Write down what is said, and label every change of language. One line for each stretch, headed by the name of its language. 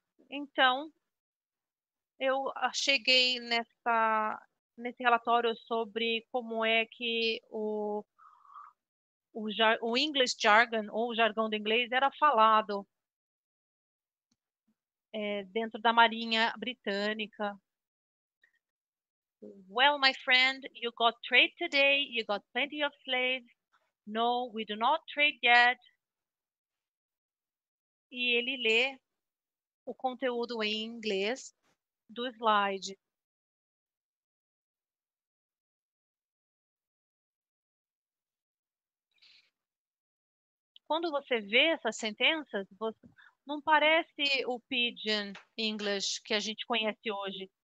Portuguese: Então, eu cheguei nesse relatório sobre como é que o English jargon, ou o jargão do inglês, era falado dentro da Marinha Britânica.
English: Well, my friend, you got trade today, you got plenty of slaves. No, we do not trade yet.
Portuguese: E ele lê o conteúdo em inglês do slide. Quando você vê essas sentenças, não parece o pidgin English que a gente conhece hoje.